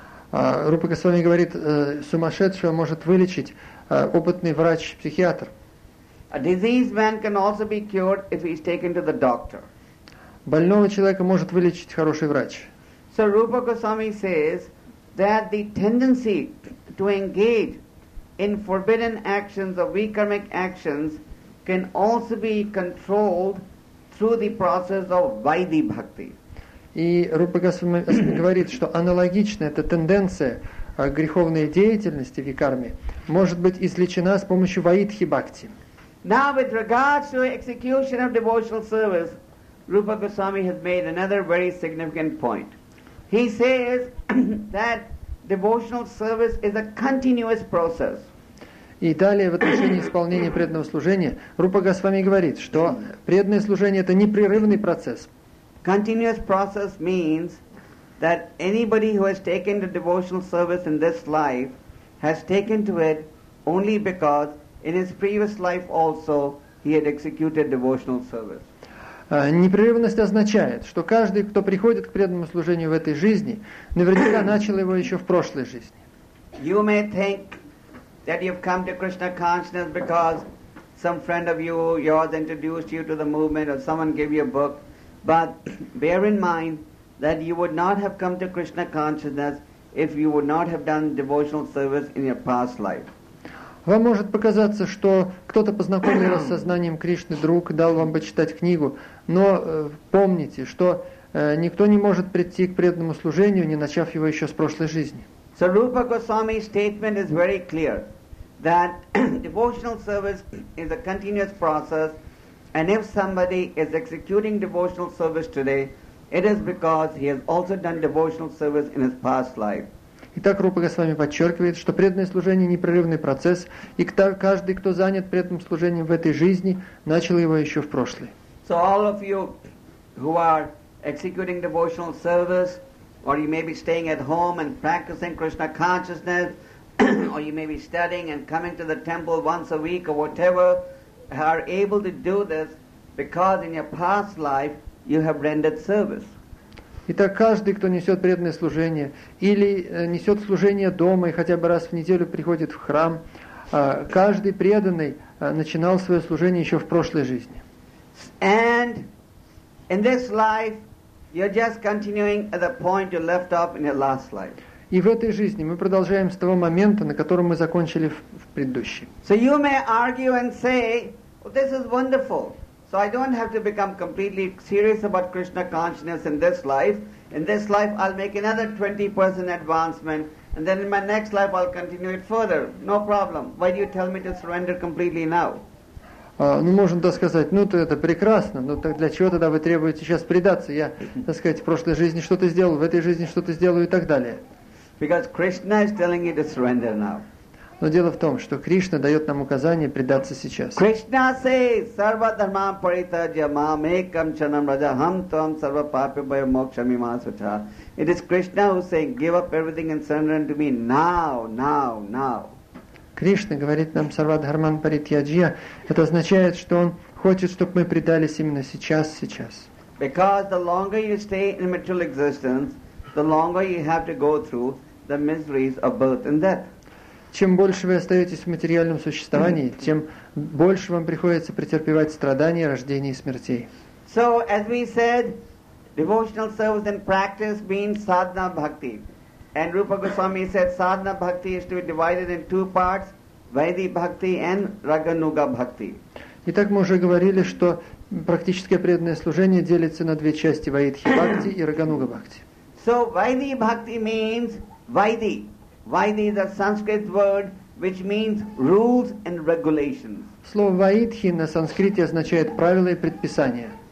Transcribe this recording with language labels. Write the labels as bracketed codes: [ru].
[ru] Rupa Goswami говорит, сумасшедшего может вылечить опытный врач-психиатр. [en] A diseased man can also be cured if he's taken to the doctor. [ru] Больного человека может вылечить хороший врач. [en] So Rupa Goswami says that the tendency to engage in forbidden actions or weak karmic actions can also be controlled through the process of Vaidhi Bhakti. [ru] И Rupa Goswami говорит, что аналогичная эта тенденция греховной деятельности викарме может быть излечена с помощью Vaidhi Bhakti. [en] Now with regards to execution of devotional service, Rupa Goswami has made another very significant point. He says that devotional service is a continuous process. [ru] И далее в отношении исполнения преданного служения Рупа Госвами говорит, что преданное служение — это непрерывный процесс. [en] Continuous process means that anybody who has taken to devotional service in this life has taken to it only because in his previous life also he had executed devotional service. [ru] Непрерывность означает, что каждый, кто приходит к преданному служению в этой жизни, наверняка начал его еще в прошлой жизни. [en] You may think that you've come to Krishna consciousness because some friend of yours introduced you to the movement or someone gave you a book, but bear in mind that you would not have come to Krishna consciousness if you would not have done devotional service in your past life. [ru] Вам может показаться, что кто-то познакомил вас с сознанием Кришны, друг, дал вам почитать книгу, но помните, что никто не может прийти к преданному служению, не начав его еще с прошлой жизни. [en] So Rupa Goswami's statement is very clear, that devotional service is a continuous process, and if somebody is executing devotional service today, it is because he has also done devotional service in his past life. [ru] Итак, Рупа Госвами подчеркивает, что преданное служение — непрерывный процесс, и каждый, кто занят преданным служением в этой жизни, начал его еще в прошлой. [en] So all of you who are executing devotional service, or you may be staying at home and practicing Krishna consciousness, or you may be studying and coming to the temple once a week or whatever, are able to do this because in your past life you have rendered service. [ru] Итак, каждый, кто несет преданное служение, или несет служение дома и хотя бы раз в неделю приходит в храм, каждый преданный начинал свое служение еще в прошлой жизни. [en] And in this life you're just continuing at the point you left off in your last life. [ru] И в этой жизни мы продолжаем с того момента, на котором мы закончили в предыдущей. [en] So you may argue and say, well, this is wonderful. So I don't have to become completely serious about Krishna consciousness in this life. In this life I'll make another 20% advancement, and then in my next life I'll continue it further. No problem. Why do you tell me to surrender completely now? [ru] Ну, можно так сказать, ну, то это прекрасно, но так для чего тогда вы требуете сейчас предаться? Я, так сказать, в прошлой жизни что-то сделал, в этой жизни что-то сделаю и так далее. [en] Because Krishna is telling you to surrender now. [ru] Но дело в том, что Кришна дает нам указание предаться сейчас. [en] Krishna says, [sa] sarva dharma paritajya mam ekam chanam raja ham tvam sarva papibhaya mokshami masucha. [en] It is Krishna who is saying, give up everything and surrender unto me now, now, now. [ru] Кришна говорит нам [sa] sarva dharma paritajya. [ru] Это означает, что он хочет, чтобы мы предались именно сейчас, сейчас. [en] Because the longer you stay in material existence, the longer you have to go through the miseries of birth and death. [ru] Чем больше вы остаетесь в материальном существовании, тем больше вам приходится претерпевать страдания рождения и смертей. [en] So, as we said, Devotional service and practice means sadhana bhakti. And Rupa Goswami said sadhana bhakti is to be divided in two parts, Vaidhi bhakti and Raganuga bhakti. [ru] Итак, мы уже говорили, что практическое преданное служение делится на две части, Vaidhi bhakti и Raganuga bhakti. [en] So Vaidhi bhakti means Vaidhi. Vaidhi is a Sanskrit word which means rules and regulations. [ru] Слово Vaidhi на санскрите означает правила и предписания.